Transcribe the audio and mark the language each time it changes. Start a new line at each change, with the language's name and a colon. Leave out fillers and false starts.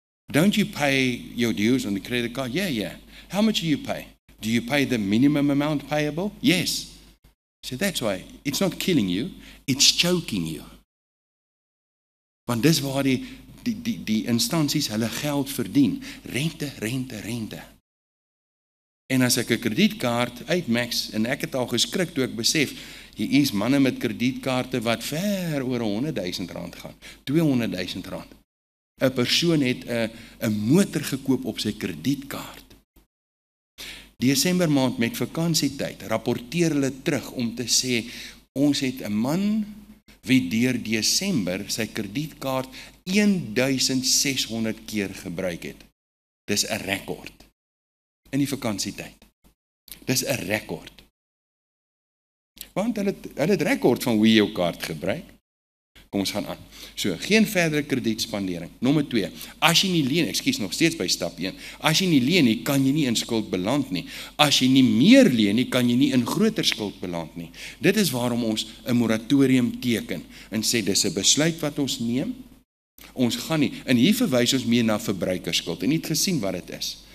English: Don't you pay your dues on the credit card? Yeah, yeah. How much do you pay? Do you pay the minimum amount payable? Yes. So that's why, it's not killing you, it's choking you.
Afrikaans: Want dis waar die instansies hulle geld verdien. Rente, rente, rente. En as ek 'n kredietkaart uitmaks, en ek het al geskrik toe ek besef, hier is manne met kredietkaarte wat ver oor R100.000 gaan, R200.000. 'N persoon het 'n motor gekoop op sy kredietkaart. Desember maand met vakansietyd, rapporteer hulle terug om te sê, ons het 'n man wie deur Desember sy kredietkaart 1600 keer gebruik het. Dis 'n rekord. In die vakansietyd. Dis 'n rekord. Want hulle het rekord van hoe jou kaart gebruik. Kom ons gaan aan. So, geen verdere kredietspandering. Nommer 2. As jy nie leen, ekskuus nog steeds by stap 1. As jy nie leen nie, kan jy nie in skuld beland nie. As jy nie meer leen nie, kan jy nie in groter skuld beland nie. Dit is waarom ons 'n moratorium teken en sê dis 'n besluit wat ons neem. Ons gaan nie. En hier verwys ons meer na verbruikersskuld en het gesien wat dit is.